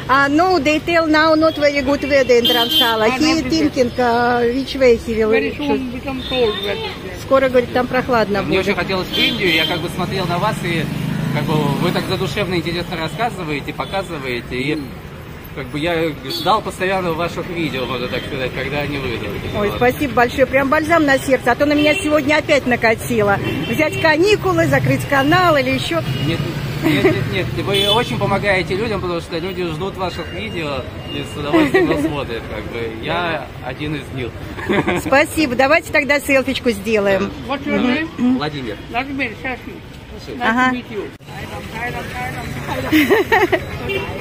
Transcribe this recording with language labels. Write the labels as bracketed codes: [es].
[en] No, they tell now not very good weather in Dharamsala. He thinking which way he will... Very soon become cold weather. [ru] Скоро, говорит, там прохладно будет. Мне очень хотелось в Индию, я как бы смотрел на вас, и как бы вы так задушевно, интересно рассказываете, показываете, и как бы я ждал постоянно ваших видео, можно так сказать, когда они выйдут. Ой, спасибо большое, прям бальзам на сердце, а то на меня сегодня опять накатило. Взять каникулы, закрыть канал или еще... Нет, вы очень помогаете людям, потому что люди ждут ваших видео и с удовольствием вас смотрят, как бы. Я один из них. Спасибо, давайте тогда селфичку сделаем. [en] What's your name? [ru] Владимир. Владимир, Саши. [en] Nice to meet you.